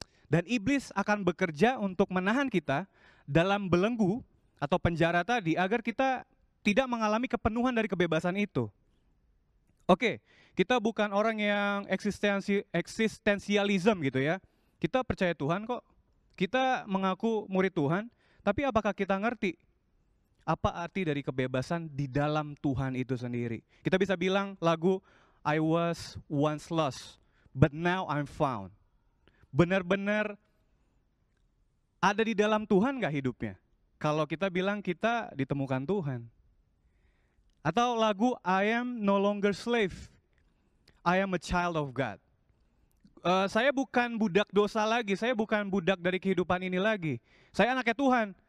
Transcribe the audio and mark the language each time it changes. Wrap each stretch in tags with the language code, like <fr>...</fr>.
<id>Dan iblis akan bekerja untuk menahan kita dalam belenggu atau penjara tadi agar kita tidak mengalami kepenuhan dari kebebasan itu. Oke, kita bukan orang yang existentialism gitu ya. Kita percaya Tuhan kok. Kita mengaku murid Tuhan. Tapi apakah kita ngerti apa arti dari kebebasan di dalam Tuhan itu sendiri? Kita bisa bilang lagu</id> <en>I was once lost, but now I'm found.</en> <id>Benar-benar ada di dalam Tuhan gak hidupnya? Kalau kita bilang kita ditemukan Tuhan. Atau lagu</id> <en>I am no longer slave, I am a child of God.</en> <id>Saya bukan budak dosa lagi, saya bukan budak dari kehidupan ini lagi. Saya anaknya Tuhan.</id>